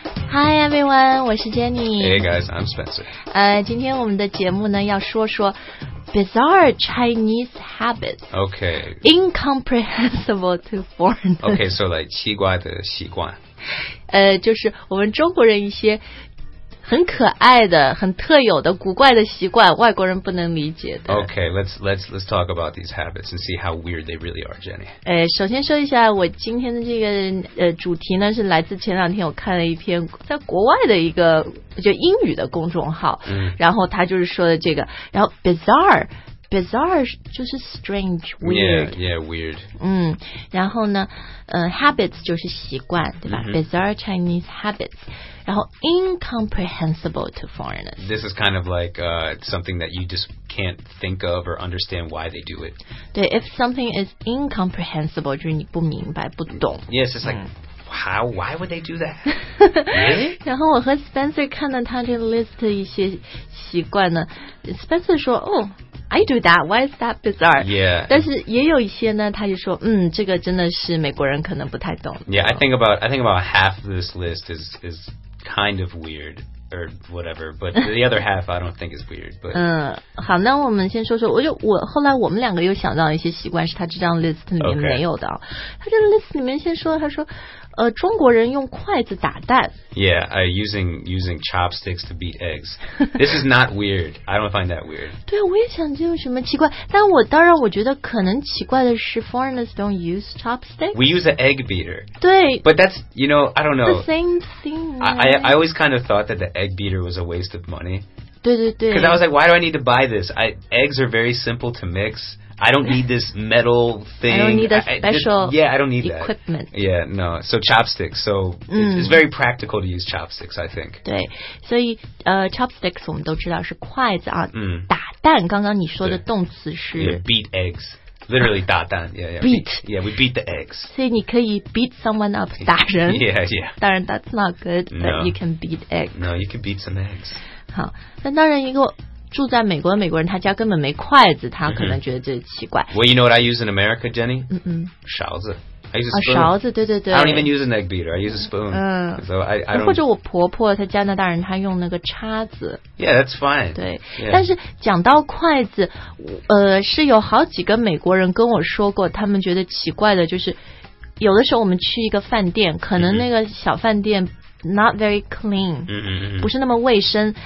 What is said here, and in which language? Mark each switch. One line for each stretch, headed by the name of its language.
English: Hi everyone,
Chinese: 我是 Jenny.
English: Hey guys, I'm Spencer.
Chinese: 今天我们的节目呢要说说 bizarre Chinese habits.
English: Okay. Incomprehensible to foreigners. Okay, so like
Chinese: 奇怪的习惯。就是我们中国人一些很可爱的、很特有的、古怪的习惯，外国人不能理解的。
English: Okay, let's talk about these habits and see how weird they really are, Jenny.
Chinese: 首先说一下，我今天的这个主题呢，是来自前两天我看了一篇在国外的一个就英语的公众号，然后他就是说的这个，然后 bizarre 就是 strange, weird.
English: Yeah, weird.
Chinese: 然后呢，habits 就是习惯，对吧？
English: Bizarre Chinese habits. 然后 incomprehensible to foreigners. This is kind of like something that you just can't think of or understand why they do it.
Chinese: 对
English: if something is incomprehensible,
Chinese: 就是你不明白不懂
English: Yes, it's like,how, why would they do that?
Chinese: 然后我和 Spencer 看到他这 list 一些习惯呢 Spencer 说
English: I do that, why is that bizarre? Yeah.
Chinese: 但是也有一些呢他就说这个真的是美国人可能不太懂
English: Yeah, I think about half of this list is... kind of weird or whatever but the other half I don't think is weird but
Chinese: 好那我们先说说我后来我们两个又想到一些习惯是他这张 list 里面没有的、
English: okay.
Chinese: 他这个 list 里面先说他说中国人用筷子打蛋
English: yeah using chopsticks to beat eggs this is not weird I don't find that weird
Chinese: 对我也想这有什么奇怪但我当然我觉得可能奇怪的是
English: foreigners don't use chopsticks we use an egg beater
Chinese: 对
English: but that's you know I don't know the same thing I always kind of thought that the egg beater was a waste of money
Chinese: 对对对
English: because I was like why do I need to buy this eggs are very simple to mixI don't need this metal thing. I don't need a special equipment. That. Yeah, no. So chopsticks. So it's very practical to use chopsticks, I think.
Chinese: 对，所以chopsticks 我们都知道是筷子啊。打蛋，刚刚你说的动词是
English: yeah, beat eggs. Literally 打蛋。 Beat. Yeah, we beat the eggs.
Chinese: 所以你可以
English: beat someone up,
Chinese: 打人。
English: Yeah, yeah. 当然 that's not good, but no. you can beat eggs. No, you can beat some eggs.
Chinese: 好，那当然一个。住在美国的美国人他家根本没筷子他可能觉得这奇怪
English: Well you know what I use in America Jenny? 勺子 I use a spoon
Chinese: 勺子对对对
English: I don't even use an egg beater I use a spoon So I don't
Chinese: 或者我婆婆她加拿大人她用那个叉子
English: Yeah that's fine
Chinese: 对、
English: yeah.
Chinese: 但是讲到筷子是有好几个美国人跟我说过他们觉得奇怪的就是有的时候我们去一个饭店可能那个小饭店
English: Not very clean,
Chinese: 不是那么卫生。